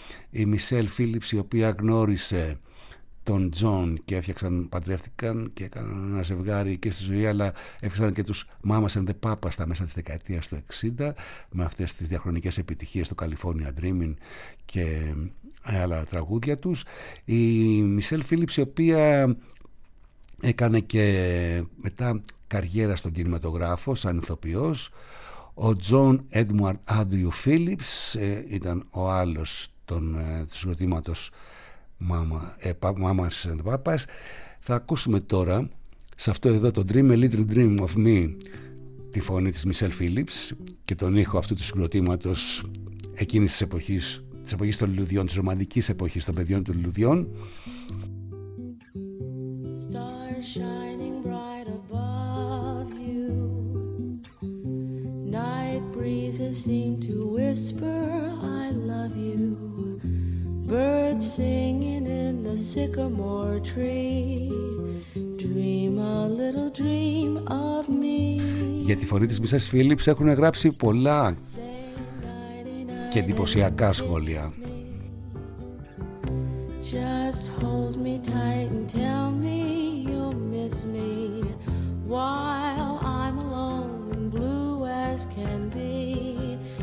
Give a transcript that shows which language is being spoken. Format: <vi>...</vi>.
<el>Η Michelle Phillips, η οποία γνώρισε τον John και έφτιαξαν, παντρεύτηκαν και έκαναν ένα ζευγάρι και στη ζωή, αλλά έφτιαξαν και τους Mamas and the Papas στα μέσα της δεκαετίας του 60, με αυτές τις διαχρονικές επιτυχίες του California Dreaming και άλλα τραγούδια τους. Η Michelle Phillips, η οποία έκανε και μετά καριέρα στον κινηματογράφο σαν ηθοποιός. Ο John Edward Andrew Phillips ήταν ο άλλος του συγκροτήματος Mamas and Papas. Θα ακούσουμε τώρα σε αυτό εδώ το Dream A Little Dream Of Me τη φωνή της Michelle Phillips και τον ήχο αυτού του συγκροτήματος εκείνης της εποχής, της εποχής των λουλουδιών, της ρομαντικής εποχής των παιδιών των λουλουδιών.</el> <en>Shining bright above you, night breezes seem to whisper, I love you. Birds singing in the sycamore tree, dream a little dream of me.</en> <el>Για τη φωνή της Μισάς Φίλιπς έχουν γράψει πολλά και εντυπωσιακά σχόλια.</el> <en>Just hold me tight and tell me you'll miss me while I'm alone and blue as can be.</en>